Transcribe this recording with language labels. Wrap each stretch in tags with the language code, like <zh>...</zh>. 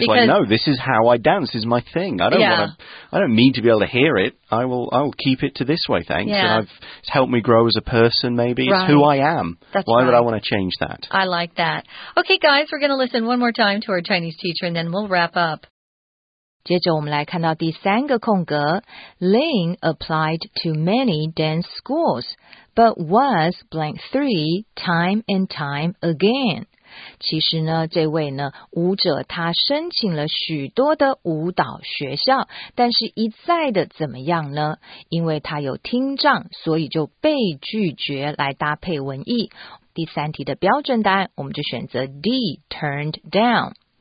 <en>Because, like, no, this is how I dance. This is my thing. I don't need to be able to hear it. I will keep it to this way, thanks. Yeah. It's helped me grow as a person, maybe. Right. It's who I am. That's Why right. would I want to change that? I like that. Okay, guys, we're going to listen one more time to our Chinese teacher, and then we'll wrap up.</en> <zh>接着我们来看到第三个空格。</zh> <en>Ling applied to many dance schools, but was blank 3 time and time again.</en> <zh>其实呢，这位呢舞者他申请了许多的舞蹈学校，但是一再的怎么样呢？因为他有听障，所以就被拒绝来搭配文艺。第三题的标准答案，我们就选择 D, turned down。</zh>